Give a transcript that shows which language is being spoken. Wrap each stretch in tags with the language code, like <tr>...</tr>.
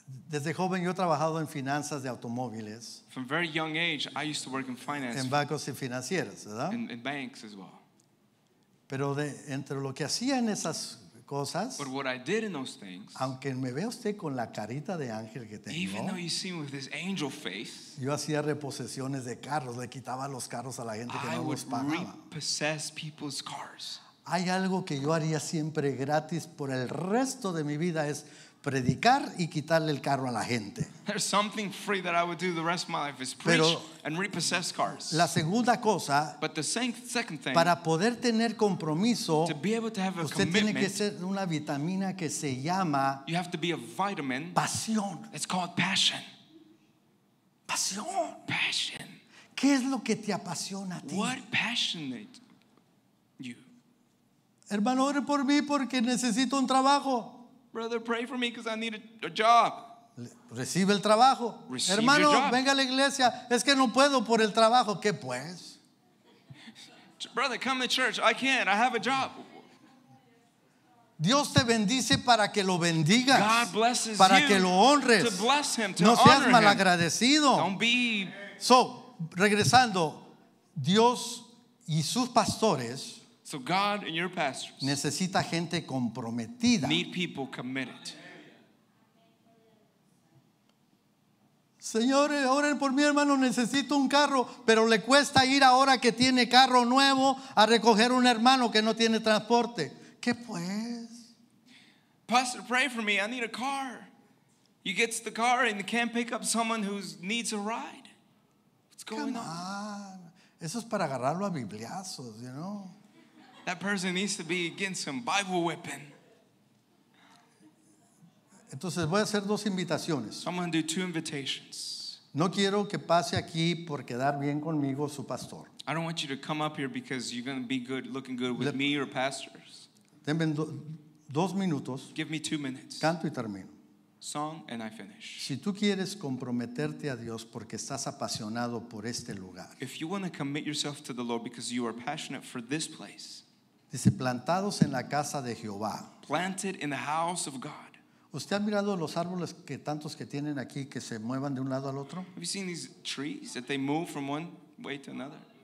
<es>Desde joven yo he trabajado en finanzas de automóviles.</es> <en>From very young age I used to work in finance.</en> <es>En bancos y financieras, ¿verdad?</es> <en>In banks as well.</en> <es>Pero de entre lo que hacía en esas cosas,</es> <en>but what I did in those things,</en> <es>aunque me vea usted con la carita de ángel que tengo,</es> <en>even though you see me with this angel face,</en> <es>yo hacía reposiciones de carros, le quitaba los carros a la gente que</es> <en>I</en> <es>no los pagaba.</es> <en>Repossess people's cars.</en> <es>Hay algo que yo haría siempre gratis por el resto de mi vida, es predicar y quitarle el carro a la gente.</es> <en>There's something free that I would do the rest of my life is preach.</en> <es>Pero</es> <en>and repossess cars.</en> <es>La segunda cosa,</es> <en>but the second thing,</en> <es>para poder tener compromiso,</es> <en>to be able to have a</en> <es>usted</es> <en>commitment,</en> <es>tiene que ser una vitamina que se llama,</es> <en>you have to be a vitamin,</en> <es>pasión.</es> <en>It's called passion.</en> <es>Pasión.</es> <en>Passion.</en> <es>¿Qué es lo que te apasiona a ti?</es> <en>What passionate you?</en> <es>Hermano, ore por mí porque necesito un trabajo.</es> <en>Brother, pray for me because I need a job.</en> <es>Recibe el trabajo.</es> <en>Receive</en> <es>hermano,</es> <en>your job.</en> <es>Venga a la iglesia. Es que no puedo por el trabajo. ¿Qué pues?</es> <en>Brother, come to church. I can't. I have a job.</en> <es>Dios te bendice para que lo bendigas.</es> <en>God blesses you.</en> <es>Para que lo honres.</es> <en>To bless him, to</en> <es>no</es> <en>honor</en> <es>seas malagradecido.</es> <en>Him. Don't be.</en> <es>So, regresando, Dios y sus pastores.</es> <en>So God and your pastors</en> <es>necesita gente comprometida.</es> <en>Need people committed.</en> <es>Señores, oren por mi hermano, necesito un carro, pero le cuesta ir ahora que tiene carro nuevo a recoger un hermano que no tiene transporte. ¿Qué pues?</es> <en>Pastor, pray for me, I need a car. He gets the car and can't pick up someone who needs a ride. What's going on?</en> <es>Eso es para agarrarlo a bibliazos,</es> <en>you know. That person needs to be getting some Bible whipping.</en> <es>Entonces voy a hacer dos invitaciones.</es> <en>I'm going to do two invitations.</en> <es>No quiero que pase aquí por quedar bien conmigo su pastor.</es> <en>I don't want you to come up here because you're going to be good, looking good with me or pastors.</en> <es>Denme dos minutos.</es> <en>Give me 2 minutes.</en> <es>Canto y termino.</es> <en>Song and I finish.</en> <es>Si tú quieres comprometerte a Dios porque estás apasionado por este lugar.</es> <en>If you want to commit yourself to the Lord because you are passionate for this place.</en> <es>Dice plantados en la casa de Jehová.</es> <en>Planted in the house of God.</en> <es>¿Usted ha mirado los árboles que tantos que tienen aquí que se muevan de un lado al otro?</es> <en>Have you seen these trees that they move from one way to another?</en>